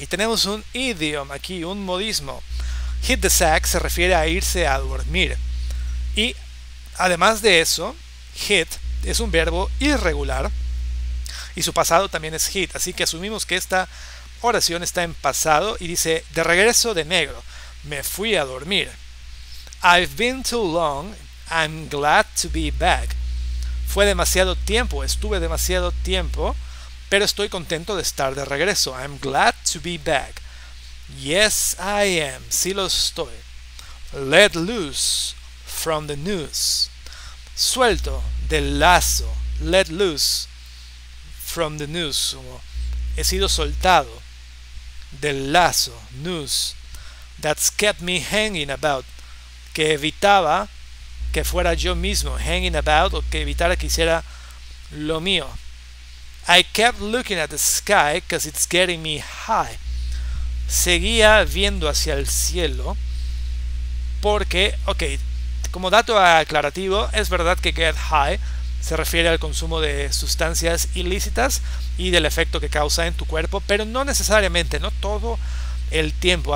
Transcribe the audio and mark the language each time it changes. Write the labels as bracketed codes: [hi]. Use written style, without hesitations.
[es] Y tenemos un idioma aquí, un modismo. [en] Hit the sack [es] se refiere a irse a dormir. Y además de eso, hit es un verbo irregular. Y su pasado también es hit. Así que asumimos que esta oración está en pasado y dice, de regreso de negro, me fui a dormir. [en] I've been too long, I'm glad to be back. [es] Fue demasiado tiempo, estuve demasiado tiempo, pero estoy contento de estar de regreso. [en] I'm glad to be back. Yes, I am. [es] Sí lo estoy. [en] Let loose from the noose. [es] Suelto del lazo. [en] Let loose from the noose. [es] He sido soltado del lazo. [en] Noose. That's kept me hanging about. [es] Que evitaba que fuera yo mismo. [en] Hanging about. [es] O que evitara que hiciera lo mío. [en] I kept looking at the sky because it's getting me high. [es] Seguía viendo hacia el cielo porque, ok, como dato aclarativo, es verdad que get high se refiere al consumo de sustancias ilícitas y del efecto que causa en tu cuerpo, pero no necesariamente, no todo el tiempo.